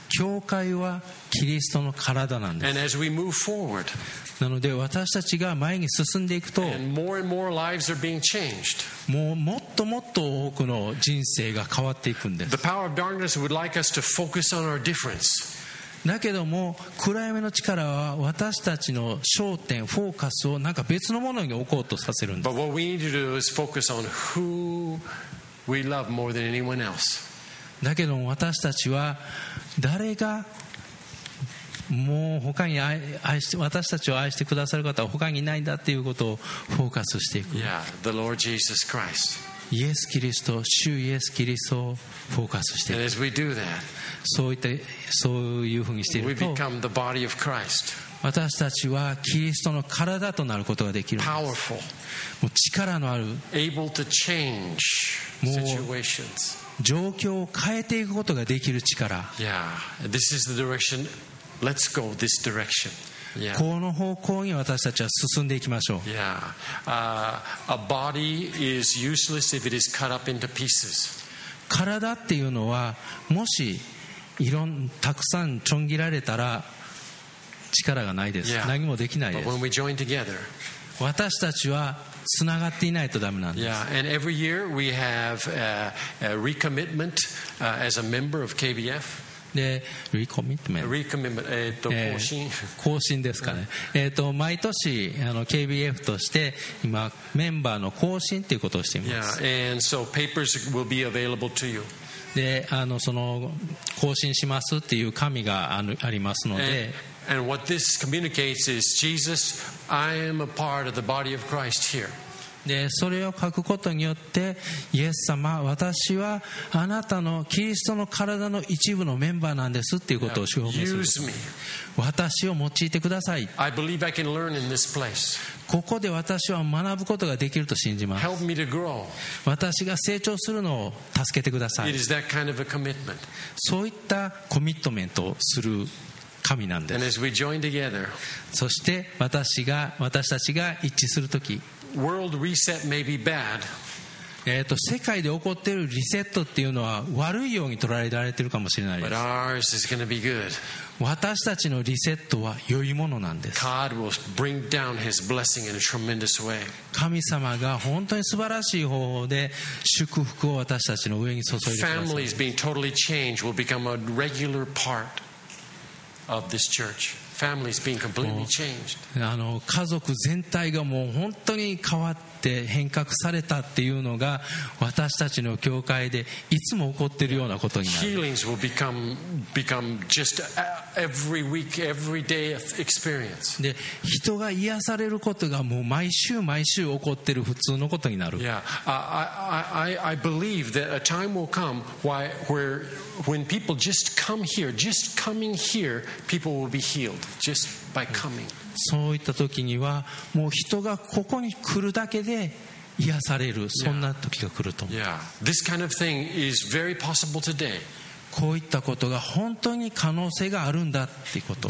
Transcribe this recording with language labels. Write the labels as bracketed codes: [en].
[ja] 教会はキリストの体なんです。 [en] And as we move forward, [ja] なので私たちが前に進んでいくと、 [en] and more and more lives are being changed. [ja] もうもっともっと多くの人生が変わっていくんです。 [en] The power of darkness would like us to focus on our difference. [ja] だけども暗闇の力は私たちの焦点フォーカスをなんか別のものに置こうとさせるんです。 [en] But what we need to do is focus on who we love more than anyone else. [ja] だけども私たちは誰がもう他に愛して私たちを愛してくださる方は他にいないんだということをフォーカスしていく。 [en] Yeah, the Lord Jesus Christ. [ja] イエス・キリスト、主イエス・キリストをフォーカスしてい [en] く。we do that, [ja] そういった、そういうふうにしていると、 [en] we become the body of Christ. [ja] 私たちはキリストの体となることができるんです。 [en] Powerful. [ja] もう力のある、 [en] able to change situations. [ja] 状況を変えていくことができる力。 [en] Yeah. This is the direction. Let's go this direction. Yeah. [ja] この方向に私たちは進んでいきましょう。 [en] Yeah. A body is useless if it is cut up into pieces. [ja] 体っていうのはもしいろんたくさんちょん切られたら力がないです。 [en] Yeah. [ja] 何もできないです。 [en] But when we join together, [ja] 私たちはつながっていないとダメなんです。 [en] Yeah. And every year we have a recommitment as a member of KBF. [ja] で、リコミットメント、リコミットメント、更新、更新ですかね、うん、毎年あの KBF として今メンバーの更新ということをしています。 [en] Yeah, and so papers will be available to you. [ja] で、あのその更新しますっていう紙が ありますので、 [en] and what this communicates is Jesus, I am a part of the body of Christ here. [ja] でそれを書くことによってイエス様、私はあなたのキリストの体の一部のメンバーなんですっていうことを証明する。 [en] Use me. [ja] 私を用いてください。 [en] I believe I can learn in this place. [ja] ここで私は学ぶことができると信じます。 [en] Help me to grow. [ja] 私が成長するのを助けてください。 [en] It is that kind of a commitment. [ja] そういったコミットメントをする神なんです。 [en] And as we join together, [ja] そして私たちが一致するとき、 [en] World reset may be bad. [ja] 世界で起こっているリセットっていうのは悪いように捉えられているかもしれないです。 [en] But ours is going to be good. [ja] 私たちのリセットは良いものなんです。 [en] God will bring down His blessing in a tremendous way. [ja] 神様が本当に素晴らしい方法で祝福を私たちの上に注いでください。 [en] Families being totally changed will become a regular part of this church. Families being completely changed. [ja] 家族全体がもう本当に変わって変革されたっていうのが私たちの教会でいつも起こっているようなことになる。 [en] Healings will become just every week, every day experience. [ja] で、人が癒されることがもう毎週毎週起こっている普通のことになる。 [en] Yeah, I believe that a time will come where when people just come here, just coming here, people will be healed. Just by coming. [ja] そういった時にはもう人がここに来るだけで癒される、そんな時が来ると思う。 [en] Yeah. Yeah. This kind of thing is very possible today. [ja] こういったことが本当に可能性があるんだっていうこと。